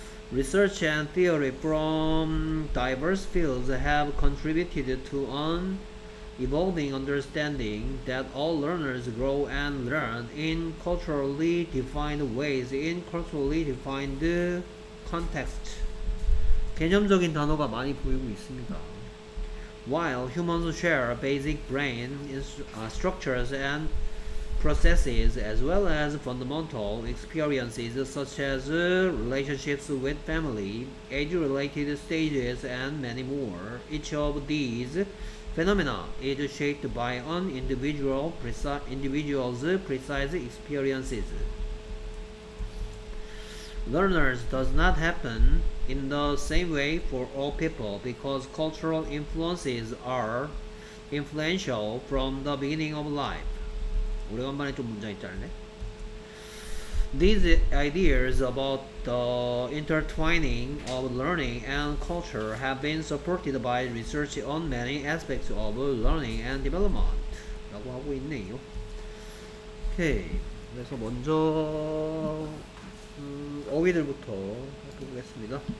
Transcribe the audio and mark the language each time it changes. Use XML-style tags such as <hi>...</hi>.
<en>Research and theory from diverse fields have contributed to an evolving understanding that all learners grow and learn in culturally defined ways, in culturally defined contexts.</en> <ko>개념적인 단어가 많이 보이고 있습니다.</ko> <en>While humans share basic brain structures and processes as well as fundamental experiences such as relationships with family, age-related stages and many more, each of these phenomena is shaped by an individual's precise experiences. Learners does not happen in the same way for all people because cultural influences are influential from the beginning of life.</en> <ko>오래간만에 좀 문장이 짧네.</ko> <en>These ideas about the intertwining of learning and culture have been supported by research on many aspects of learning and development.</en> <ko>라고 하고 있네요. 오케이. 그래서 먼저 어휘들부터 해보겠습니다.</ko>